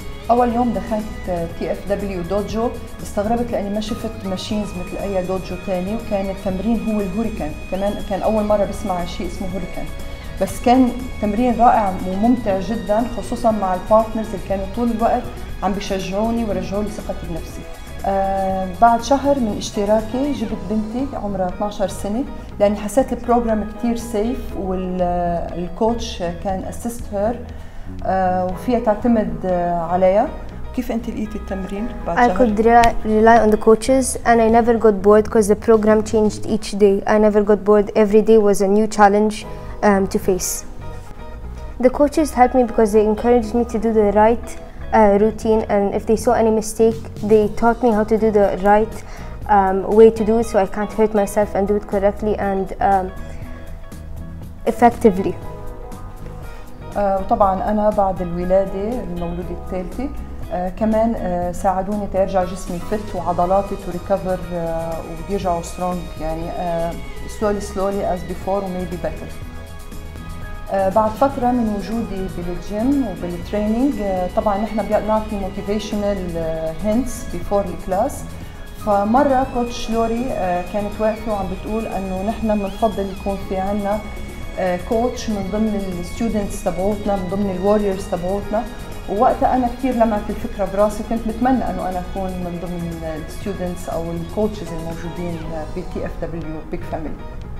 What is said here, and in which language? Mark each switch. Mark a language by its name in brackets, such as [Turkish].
[Arabic] أول يوم دخلت TFW دوجو استغربت لأني ما شفت ماشينز مثل أي دوجو تاني، وكان التمرين هو الهوريكان، كمان كان أول مرة بسمع شيء اسمه هوريكان، بس كان تمرين رائع وممتع جداً، خصوصاً مع البارتنرز اللي كانوا طول الوقت عم بيشجعوني ورجعوا لي ثقتي بنفسي. بعد شهر من اشتراكي جبت بنتي عمرها 12 سنة، لأني حسيت البروغرام كتير سيف والكوتش كان أسيست هير وفيها تعتمد عليها. كيف أنت لقيتي التمرين بعد شهر؟ [English] I could rely on the coaches and I never got bored because the program changed each day. I never got bored. Every day was a new challenge to face. The coaches helped me because they encouraged me to do the right routine, and if they saw any mistake they taught me how to do the right way to do it so I can't hurt myself and do it correctly and effectively. [Arabic] وطبعا انا بعد الولادة المولودة الثالثة كمان ساعدوني ترجع جسمي فت وعضلاتي [English] to recover [Arabic] ويرجعوا strong، يعني [English] slowly as before maybe better. [Arabic] بعد فترة من وجودي بالجيم وبالترينينج طبعاً نحن بنعطي موتيفيشنال هينتس بيفور الكلاس، فمرة كوتش لوري كانت واقفة وعم بتقول أنه نحن بنفضل يكون في عنا كوتش من ضمن الستودنتس تبعوتنا، من ضمن الواريورز تبعوتنا، ووقتها أنا كثير لمعت الفكرة براسي، كنت بتمنى أنه أنا أكون من ضمن الستودنتس أو الكوتشز الموجودين في TFW Big Family.